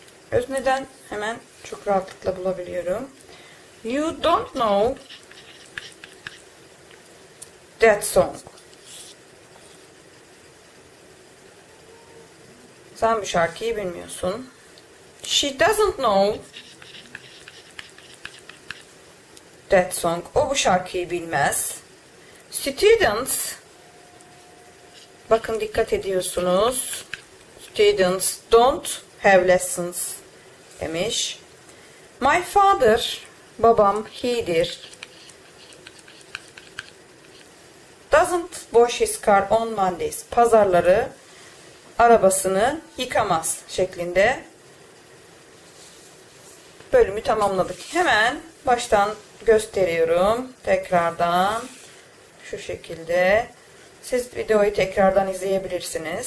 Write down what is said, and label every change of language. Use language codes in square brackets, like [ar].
[tr] Özneden hemen çok rahatlıkla bulabiliyorum. [en] You don't know that song. [tr] Sen bu şarkıyı bilmiyorsun. [en] She doesn't know that song. [tr] O bu şarkıyı bilmez. Students, bakın dikkat ediyorsunuz. [en] Students don't have lessons [tr] demiş. [en] My father, [tr] babam, [en] he'dir. Doesn't wash his car on Mondays. [tr] Pazarları arabasını yıkamaz şeklinde. Bölümü tamamladık. Hemen baştan gösteriyorum. Tekrardan şu şekilde. Siz videoyu tekrardan izleyebilirsiniz.